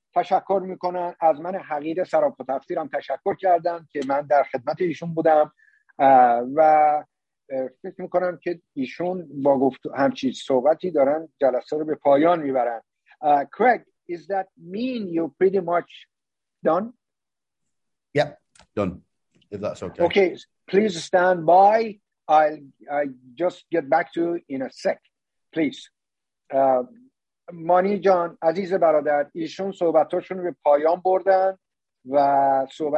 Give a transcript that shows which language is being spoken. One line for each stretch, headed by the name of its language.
Persian: تشکر میکنن از من حقیر سراپا تفسیرم تشکر کردن که من در خدمت ایشون بودم و فکر میکنم که ایشون با گفت همچین صحبتی دارن جلسه رو به پایان میبرن.
English: Craig, is that mean you pretty much done? Yep, done. If that's okay. Okay, please stand by. I just get back to you in a sec. Please.
Persian: مانی جان عزیز برادر، ایشون صحبتاشون رو به پایان بردن و صحبت